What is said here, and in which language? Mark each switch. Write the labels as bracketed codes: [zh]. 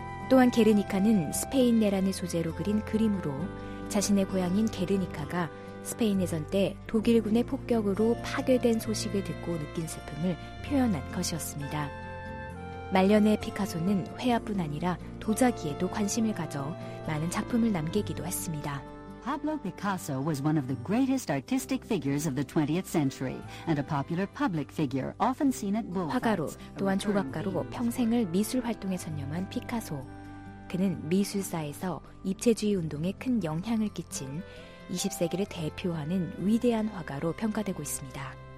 [ko] 또한 게르니카는 스페인 내란을 소재로 그린 그림으로, 자신의 고향인 게르니카가 스페인 내전 때 독일군의 폭격으로 파괴된 소식을 듣고 느낀 슬픔을 표현한 것이었습니다. 말년에 피카소는 회화뿐 아니라 도자기에도 관심을 가져 많은 작품을 남기기도 했습니다. [en] Pablo Picasso was one of the greatest artistic figures of the 20th century and a popular public figure often seen at boulevards. [ko] 화가로 또한 조각가로 평생을 미술 활동에 전념한 피카소. 그는 미술사에서 입체주의 운동에 큰 영향을 끼친 20세기를 대표하는 위대한 화가로 평가되고 있습니다.